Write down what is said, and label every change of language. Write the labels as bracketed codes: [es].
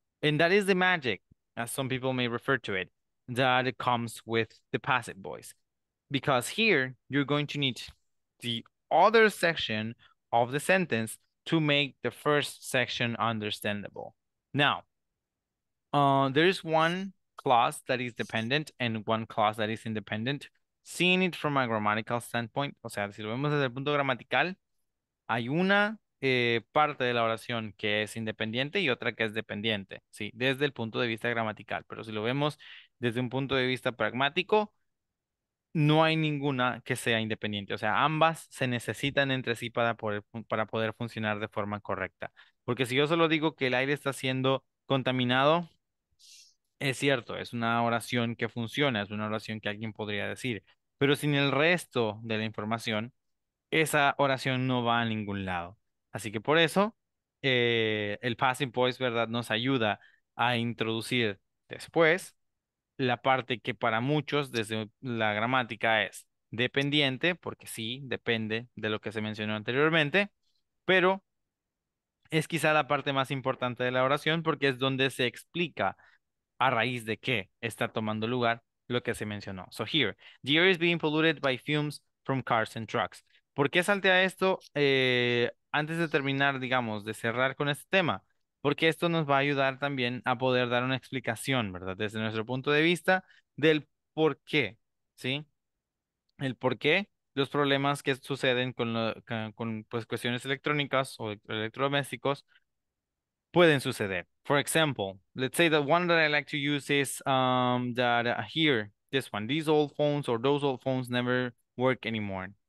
[en] And that is the magic, as some people may refer to it, that it comes with the passive voice. Because here, you're going to need the other section of the sentence to make the first section understandable. Now, there is one clause that is dependent and one clause that is independent. Seeing it from a grammatical standpoint, [es] o sea, si lo vemos desde el punto gramatical, hay una parte de la oración que es independiente y otra que es dependiente, sí, desde el punto de vista gramatical. Pero si lo vemos desde un punto de vista pragmático, no hay ninguna que sea independiente. O sea, ambas se necesitan entre sí para poder funcionar de forma correcta. Porque si yo solo digo que el aire está siendo contaminado, es cierto, es una oración que funciona, es una oración que alguien podría decir. Pero sin el resto de la información, esa oración no va a ningún lado. Así que por eso, el passive voice, ¿verdad?, nos ayuda a introducir después la parte que para muchos desde la gramática es dependiente, porque sí, depende de lo que se mencionó anteriormente, pero es quizá la parte más importante de la oración porque es donde se explica a raíz de qué está tomando lugar lo que se mencionó. [en] So here, the air is being polluted by fumes from cars and trucks. [es] ¿Por qué salté a esto antes de terminar, digamos, de cerrar con este tema? Porque esto nos va a ayudar también a poder dar una explicación, ¿verdad? Desde nuestro punto de vista del por qué, ¿sí? El por qué los problemas que suceden con cuestiones electrónicas o electrodomésticos pueden suceder. [en] For example, let's say the one that I like to use is that here, this one, these old phones or those old phones never work anymore.